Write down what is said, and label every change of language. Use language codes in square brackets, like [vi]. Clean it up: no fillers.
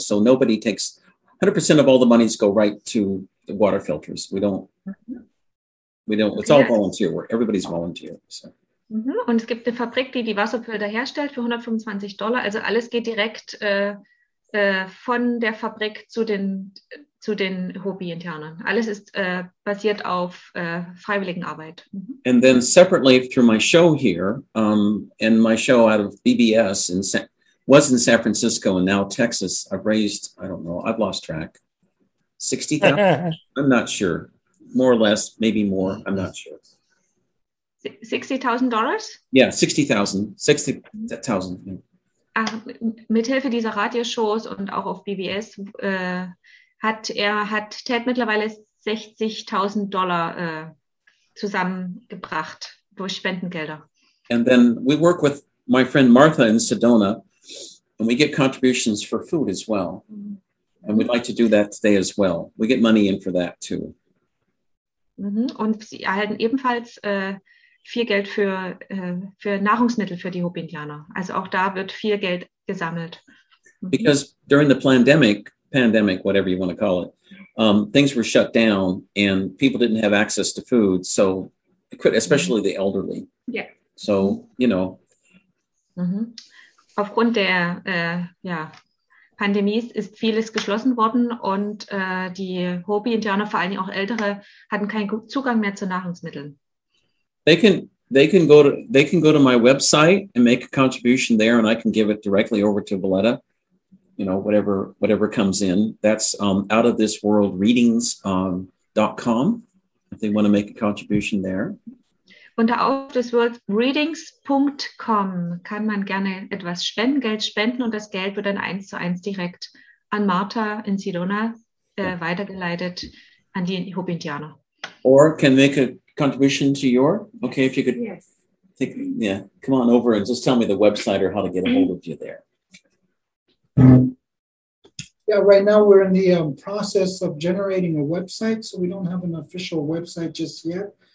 [en] So nobody takes 100% of all the monies go right to the water filters. It's all volunteer work. Everybody's volunteer. So. [de] Und es gibt eine Fabrik, die Wasserfilter herstellt für $125. Also alles geht direkt von der Fabrik zu den Hopi-Internen. Alles ist basiert auf freiwilligen Arbeit. [en] And then separately through my show here, and my show out of BBS was in San Francisco and now Texas, I've raised, I don't know, I've lost track, $60,000? I'm not sure. More or less, maybe more, I'm not sure. $60,000? Yeah, $60,000. [de] Mithilfe dieser Radioshows und auch auf BBS hat Ted mittlerweile $60,000 zusammengebracht durch Spendengelder. [en] And then we work with my friend Martha in Sedona, and we get contributions for food as well. And we'd like to do that today as well. We get money in for that too. [de] Und sie erhalten ebenfalls viel Geld für Nahrungsmittel für die Hopi-Indianer. Also auch da wird viel Geld gesammelt. [en] Because during the pandemic, whatever you want to call it, things were shut down and people didn't have access to food, so especially the elderly. Yeah. So, [de] Aufgrund der Pandemie ist vieles geschlossen worden und die Hopi-Indianer, vor allem auch Ältere, hatten keinen Zugang mehr zu Nahrungsmitteln. [en] They can go to my website and make a contribution there, and I can give it directly over to Valletta. You know, whatever comes in. That's outofthisworldreadings.com. If they want to make a contribution there. [de] Unter outofthisworldreadings.com kann man gerne etwas spenden, Geld spenden, und das Geld wird dann 1:1 direkt an Martha in Sirona weitergeleitet, an die Hopi-Indianer. [en] Or can make a contribution to your, okay, if you could. Yes. Take, yeah, come on over and just tell me the website or how to get a hold of you there. Yeah, right now we're in the process of generating a website, so we don't have an official website just yet.